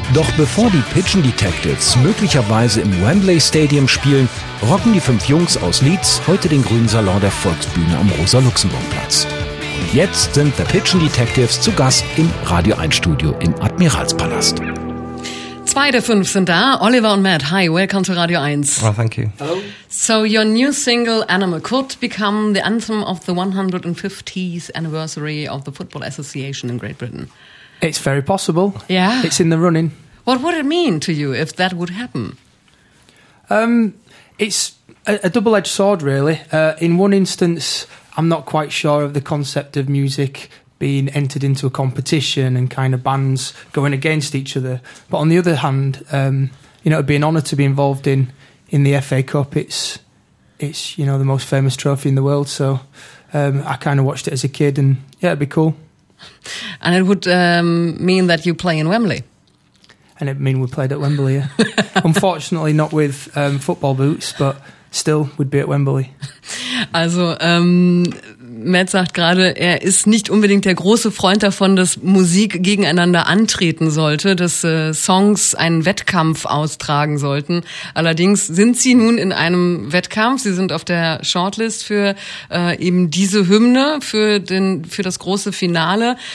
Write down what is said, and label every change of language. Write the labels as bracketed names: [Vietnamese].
[German] Doch bevor die Pigeon Detectives möglicherweise im Wembley Stadium spielen, rocken die fünf Jungs aus Leeds heute den grünen Salon der Volksbühne am Rosa-Luxemburg-Platz. Und jetzt sind The Pigeon Detectives zu Gast im Radio 1 Studio im Admiralspalast. Zwei der fünf sind da, Oliver und Matt. [English] Hi, welcome to Radio 1. Oh, thank you. Hello. So your new single Animal could become the anthem of the 150th anniversary of the Football Association in Great Britain. It's very possible. Yeah. It's in the running. What would it mean to you if that would happen? It's a double-edged sword, really. In one instance, I'm not quite sure of the concept of music being entered into a competition and kind of bands going against each other. But on the other hand, it'd be an honour to be involved in the FA Cup. It's you know, the most famous trophy in the world. So I kind of watched it as a kid and, yeah, it'd be cool. And it would mean that you play in Wembley. And it'd mean we played at Wembley, yeah. Unfortunately, not with football boots, but still, we'd be at Wembley. [German] Also, Matt sagt gerade, er ist nicht unbedingt der große Freund davon, dass Musik gegeneinander antreten sollte, dass Songs einen Wettkampf austragen sollten. Allerdings sind sie nun in einem Wettkampf. Sie sind auf der Shortlist für eben diese Hymne, für das große Finale.